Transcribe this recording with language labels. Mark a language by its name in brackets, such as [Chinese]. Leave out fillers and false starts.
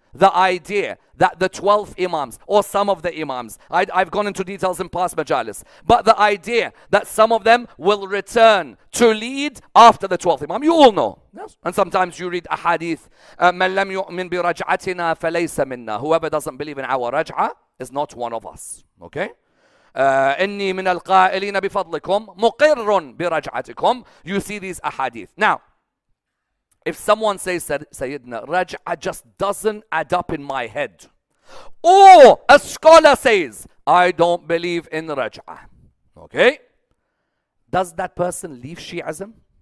[English] the idea that the 12 imams or some of the imams, I've gone into details in past majalis, but the idea that some of them will return to lead after the 12th imam, you all know. Yes. And sometimes you read a hadith, [Arabic] مَنْ لَمْ يُؤْمِنْ بِرَجْعَتِنَا فَلَيْسَ مِنَّا. [English] Whoever doesn't believe in our raj'a is not one of us. Okay? [Arabic] إني من القائلين بفضلكم مقر برجعتكم. [English] You see these ahadith. Now, if someone says Sayyidina, raj'a just doesn't add up in my head, or a scholar says, I don't believe in raj'a, okay, does that person leave Shi'ism?